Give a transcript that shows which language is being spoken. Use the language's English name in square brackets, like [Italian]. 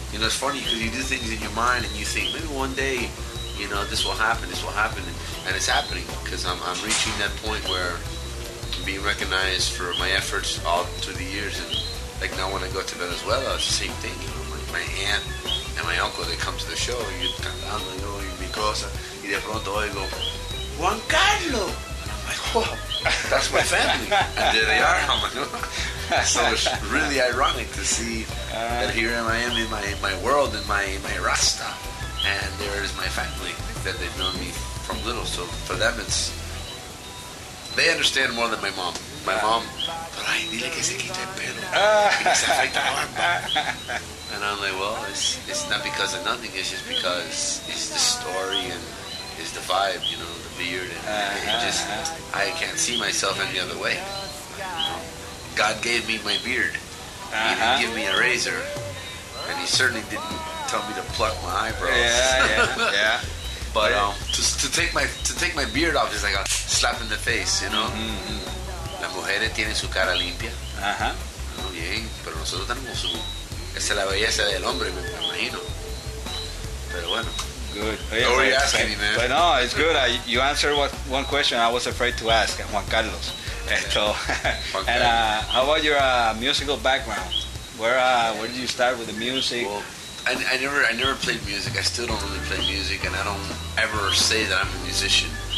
[English] You know, it's funny because you do things in your mind and you think maybe one day, you know, this will happen. And it's happening because I'm reaching that point where I'm being recognized for my efforts all through the years. And like now when I go to Venezuela, it's the same thing. You know, my aunt and my uncle, they come to the show. You're [Spanish] cantando, [English] you know, [Spanish] mi cosa. Y de pronto oigo, Juan Carlos. [English] And I'm like, whoa, that's my family. And there they are. So it's really ironic to see that here I am in my world, in my Rasta. And there is my family that they've known me from little. So for them, it's, they understand more than my mom. My mom, and I'm like, well, it's not because of nothing, it's just because it's the story and it's the vibe, you know, the beard, and it just, I can't see myself any other way. God gave me my beard. He didn't give me a razor, and he certainly didn't tell me to pluck my eyebrows. Yeah. But to take my beard off is like a slap in the face, you know. Mm-hmm. [Spanish] Las mujeres tienen su cara limpia. Ajá. Muy bien, pero nosotros tenemos su. Esa es la belleza del hombre, me imagino. Pero bueno. [English] Good. What are you asking me, man? But no, it's good. You answered one question I was afraid to ask, Juan Carlos. [Spanish] Okay. Esto. [English] Juan and Carlos. How about your musical background? Where did you start with the music? Well, I never played music. I still don't really play music, and I don't ever say that I'm a musician.